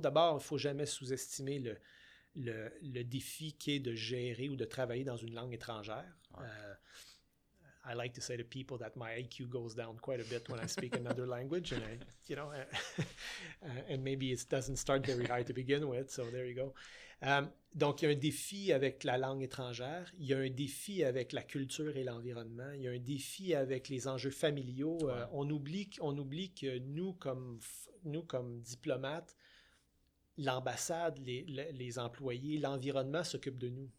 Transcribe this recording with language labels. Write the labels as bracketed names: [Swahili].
[French] D'abord, il ne faut jamais sous-estimer le défi qu'est de gérer ou de travailler dans une langue étrangère. [English] I like to say to people that my IQ goes down quite a bit when I speak another language, and I, you know, and maybe it doesn't start very high to begin with. So there you go. [French] Donc, il y a un défi avec la langue étrangère, il y a un défi avec la culture et l'environnement, il y a un défi avec les enjeux familiaux. Ouais. On oublie que nous comme diplomates, l'ambassade, les employés, l'environnement s'occupent de nous.